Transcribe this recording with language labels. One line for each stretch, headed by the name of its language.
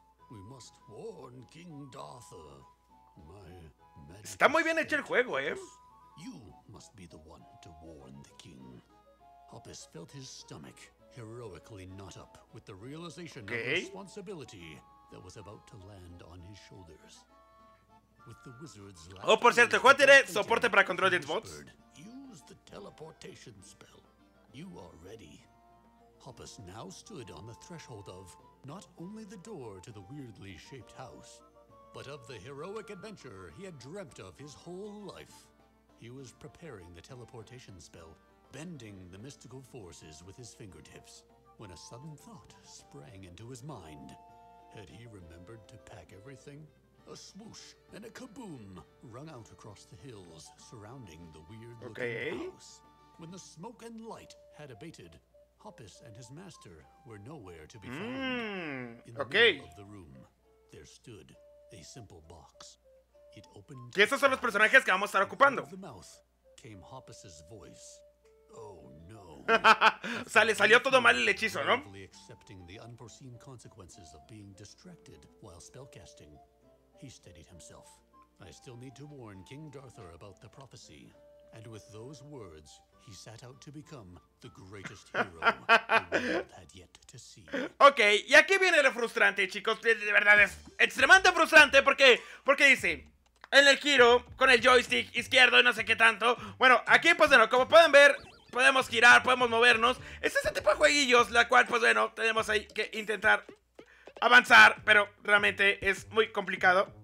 English: We must warn King Dartha. My magic.
Spanish: Está muy bien hecho el juego, ¿eh?
English: You must be the one to warn the king. Hoppus felt his stomach heroically knot up with the realization of responsibility that was about to land on his shoulders. With the wizard's last...
Spanish: Oh, por cierto, ¿cuál tiene soporte para control de bots?
English: Use the teleportation spell. You are ready. Hoppus now stood on the threshold of not only the door to the weirdly shaped house, but of the heroic adventure he had dreamt of his whole life. He was preparing the teleportation spell, bending the mystical forces with his fingertips, when a sudden thought sprang into his mind. Had he remembered to pack everything? A swoosh and a kaboom rung out across the hills surrounding the weird-looking house. When the smoke and light had abated, Hoppus and his master were nowhere to be found. In the middle of the room, there stood a simple box. It opened.
Spanish: ¿Y esos son los personajes que vamos a estar ocupando?
English: The mouth came Hoppus's voice. Oh no.
Spanish: O sea, le salió todo mal el hechizo, ¿no?
English: Accepting the unforeseen consequences of being distracted while spellcasting, he steadied himself. I still need to warn King Darthur about the prophecy. And with those words, he set out to become the greatest hero the world had yet to see.
Spanish: Ok, y aquí viene lo frustrante, chicos. De verdad es extremadamente frustrante porque dice, en el giro, con el joystick izquierdo y no sé qué tanto. Bueno, aquí pues bueno, como pueden ver, podemos girar, podemos movernos. Es ese tipo de jueguillos, la cual pues bueno, tenemos ahí que intentar avanzar, pero realmente es muy complicado.